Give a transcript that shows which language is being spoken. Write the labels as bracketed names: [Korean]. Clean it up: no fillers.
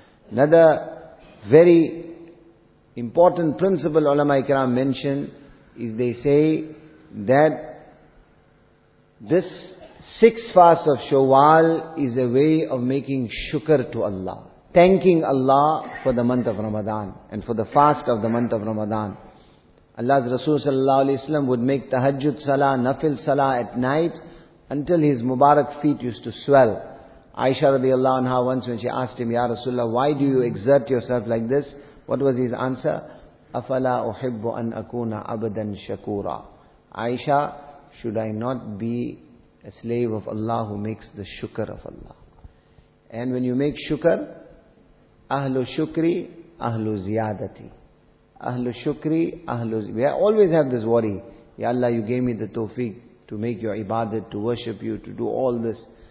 [English] Another very important principle ulama ikram mention is they say that this six fast of Shawwal is a way of making shukr to Allah, thanking Allah for the month of Ramadan and for the fast of the month of Ramadan. Allah's Rasul sallallahu alayhi wa sallam would make tahajjud salah, nafil salah at night until his mubarak feet used to swell. Aisha radiallahu anha, once when she asked him, Ya Rasulullah, why do you exert yourself like this? What was his answer? [Arabic] أَفَلَا أُحِبُّ أَنْ أَكُونَ عَبَدًا شَكُورًا. [English] Aisha, should I not be a slave of Allah who makes the shukr of Allah? And when you make shukr, [Arabic] أَهْلُ شُكْرِ أَهْلُ زِيَادَتِ. أَهْلُ شُكْرِ أَهْلُ زِيَادَتِ. [English] We always have this worry. Ya Allah, you gave me the tawfiq to make your ibadat, to worship you, to do all this.